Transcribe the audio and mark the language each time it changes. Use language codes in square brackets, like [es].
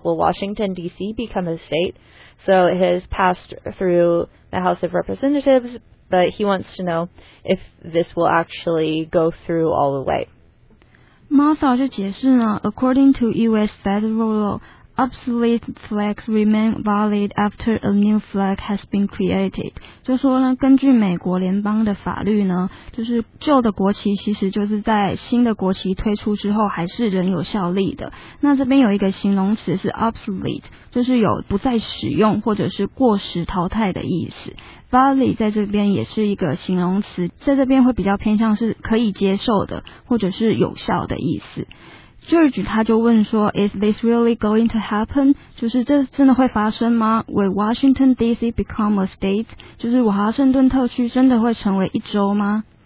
[en] Will Washington, D.C. become a state? So it has passed through the House of Representatives, but he wants to know if this will actually go through all the way. Martha [zh] 就解释呢 [en] according to U.S. federal law, obsolete flags remain valid after a new flag has been created. [zh] 就说呢根据美国联邦的法律呢就是旧的国旗其实就是在新的国旗推出之后还是仍有效力的。那这边有一个形容词是 obsolete, 就是有不再使用或者是过时淘汰的意思。 Valid 在这边也是一个形容词在这边会比较偏向是可以接受的或者是有效的意思。 [en] George [zh] 他就问说 [en] Is this really going to happen? [zh] 就是这真的会发生吗 [en] Will Washington DC become a state? [zh] 就是华盛顿特区真的会成为一州吗